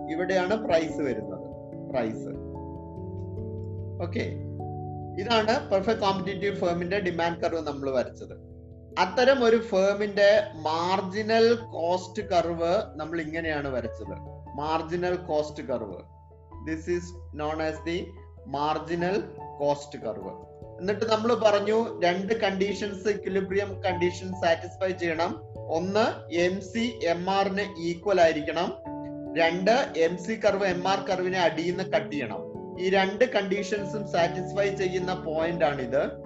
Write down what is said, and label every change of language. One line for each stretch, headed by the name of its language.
Malayalam: ഇവിടെയാണ് പ്രൈസ് വരുന്നത്, price. Okay, ഇതാണ് പെർഫെക്റ്റ് കോമ്പറ്റീറ്റീവ് ഫേമിന്റെ ഡിമാൻഡ് കർവ് നമ്മൾ വരച്ചത്. അത്തരം ഒരു ഫേമിന്റെ മാർജിനൽ കോസ്റ്റ് കർവ് നമ്മൾ ഇങ്ങനെയാണ് വരച്ചത്, marginal cost curve.
English: This is known as the marginal cost curve.
Malayalam: എന്നിട്ട് നമ്മൾ പറഞ്ഞു രണ്ട് കണ്ടീഷൻസ്, ഇക്വിലിബ്രിയം കണ്ടീഷൻ സാറ്റിസ്ഫൈ ചെയ്യണം. ഒന്ന്, എം സി എം ആറിന് ഈക്വൽ ആയിരിക്കണം. രണ്ട്, M C curve M R കർവിനെ അടിയിൽ നിന്ന് കട്ട് ചെയ്യണം. ഈ രണ്ട് കണ്ടീഷൻസും സാറ്റിസ്ഫൈ ചെയ്യുന്ന പോയിന്റ് ആണിത്.